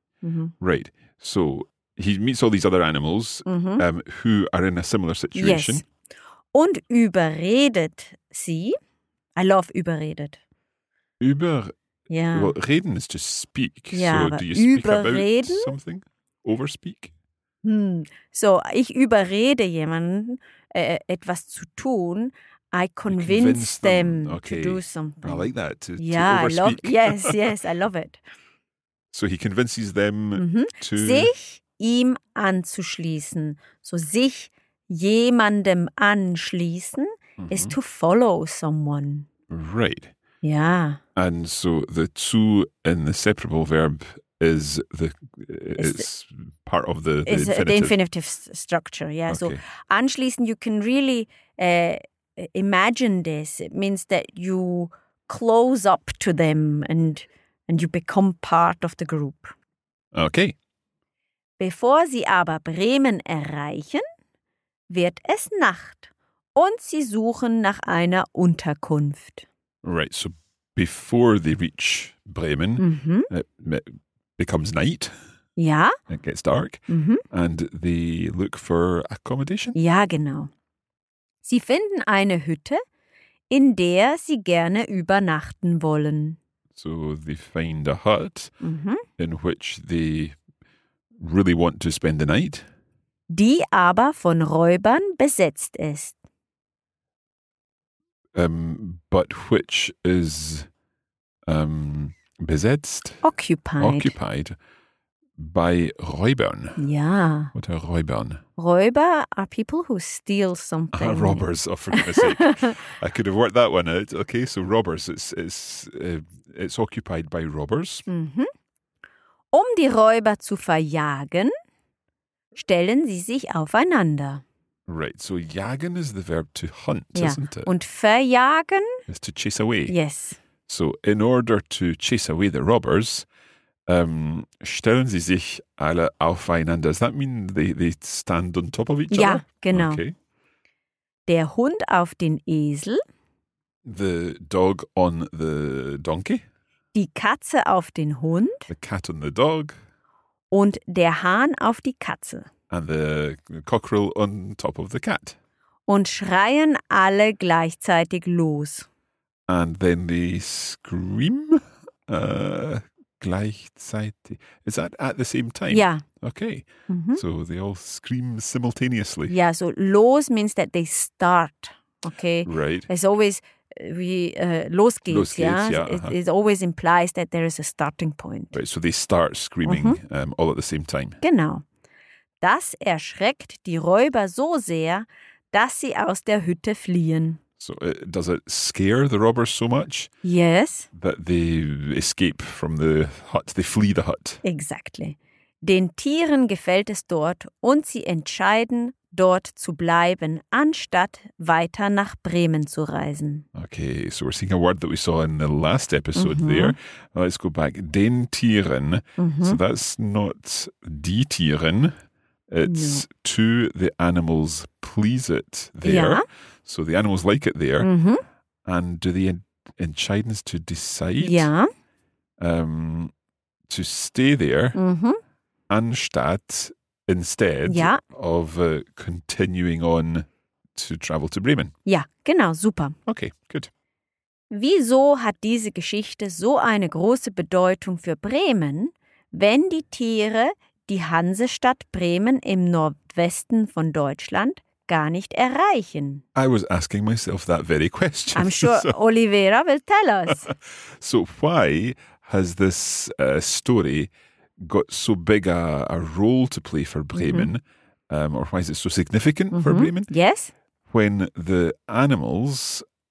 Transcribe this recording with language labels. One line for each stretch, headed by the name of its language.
English: Mm-hmm. Right. So he meets all these other animals mm-hmm. Who are in a similar situation. Yes.
German: Und überredet sie.
English: I love
German: überredet.
English: Well, reden is just speak. Yeah, so do you speak überreden? About something? Overspeak?
German: So ich überrede jemanden, etwas zu tun.
English: I convince them okay. to do something. I like that. I love. Yes, yes, I love it. So he convinces them mm-hmm. to...
German: Sich ihm anzuschließen. So sich jemandem anschließen mm-hmm.
English: is to follow someone. Right. Yeah. And so the zu in the separable verb is the part of the is infinitive. The infinitive structure, yeah. Okay. So anschließen, you can really imagine this. It means that you close up to them and you become part of the group. Okay.
German: Bevor sie aber Bremen erreichen, wird es Nacht und sie suchen nach einer Unterkunft.
English: Right, so before they reach Bremen, mm-hmm. it becomes night. Yeah. It gets dark. Mm-hmm. And they look for accommodation.
German: Ja, genau. Sie finden eine Hütte, in der sie gerne übernachten wollen.
English: So they find a hut mm-hmm. in which they really want to spend the night.
German: Die aber von Räubern besetzt ist.
English: But which is besetzt? Occupied. By Räubern. Yeah. What are Räubern? Räuber are people who steal something. Robbers, oh, for goodness sake. I could have worked that one out. Okay, so robbers. It's occupied by robbers. Mm-hmm.
German: Um die Räuber zu verjagen, stellen sie sich aufeinander.
English: Right, so jagen is the verb to hunt, yeah. isn't it?
German: Und verjagen?
English: Is to chase away. Yes. So in order to chase away the robbers...
German: stellen sie sich alle aufeinander.
English: Does that mean they stand on top of each
German: ja,
English: other?
German: Ja, genau.
English: Okay.
German: Der Hund auf den Esel.
English: The dog on the donkey.
German: Die Katze auf den Hund.
English: The cat on the dog.
German: Und der Hahn auf die Katze.
English: And the cockerel on top of the cat.
German: Und schreien alle gleichzeitig los.
English: And then they scream. Gleichzeitig. Is that at the same time? Yeah. Okay. Mm-hmm. So they all scream simultaneously. Yeah, so los means that they start. Okay. Right. It's always,
German: los geht's, los geht's,
English: yeah? Uh-huh. It always implies that there is a starting point. Right, so they start screaming mm-hmm. All at the same time.
German: Genau. Das erschreckt die Räuber so sehr, dass sie aus der Hütte fliehen.
English: So does it scare the robbers so much? Yes. That they escape from the hut, they flee the hut. Exactly.
German: Den Tieren gefällt es dort und sie entscheiden, dort zu bleiben, anstatt weiter nach Bremen zu reisen.
English: Okay, so we're seeing a word that we saw in the last episode mm-hmm. there. Let's go back.
German: Den Tieren.
English: Mm-hmm. So that's not
German: die Tieren.
English: It's no. To the animals please it there. Yeah. So the animals like it there. Mm-hmm. And do they entscheiden to decide yeah. To stay there mm-hmm. anstatt instead yeah. of continuing on to travel to Bremen? Yeah, genau, super. Okay, good.
German: Wieso hat diese Geschichte so eine große Bedeutung für Bremen, wenn die Tiere die Hansestadt Bremen im Nordwesten von Deutschland gar nicht erreichen?
English: I was asking myself that very question. I'm sure so. Oliveira will tell us. So why has this story got so big a role to play for Bremen? Mm-hmm. Or why is it so significant mm-hmm. for Bremen? Yes. When the animals...